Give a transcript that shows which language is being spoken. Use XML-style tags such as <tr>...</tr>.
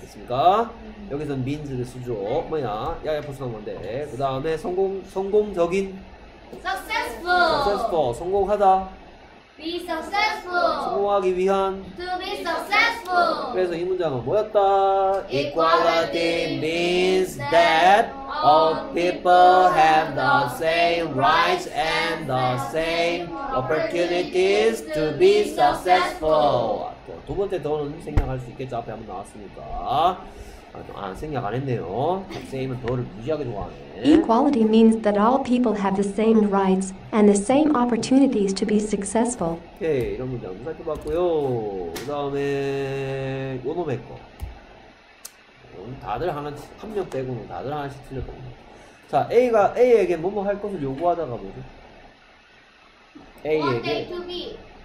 <ko>됐습니까? 여기서는 means를 쓰죠. 뭐냐? 야야 포스한 건데 그 다음에 성공적인</ko> <en>successful</en> <ko>성공하다</ko> <en>be successful</en> <ko>성공하기 위한</ko> <en>to be successful</en> <ko>그래서 이 문장은 뭐였다?</ko> <en>Equality means that All people have the same rights and the same opportunities to be successful.</en> <ko>두 번째 더는 생략할 수 있겠죠. 앞에 한번 나왔으니까. 안 생략 안 했네요. 선생님은 더를 무지하게 좋아하네.</ko> <en>Equality means that all people have the same rights and the same opportunities to be successful.</en> <ko>오케이, 이런 문장도 살펴봤고요. 그 다음에 요 놈의 거. 다들 하나씩 한 명 빼고는 다들 하나씩 틀렸거든요. 자, A가 A에게 뭐뭐 할 것을 요구하다가 뭐죠? A에게</ko> <en>want A to B.</en>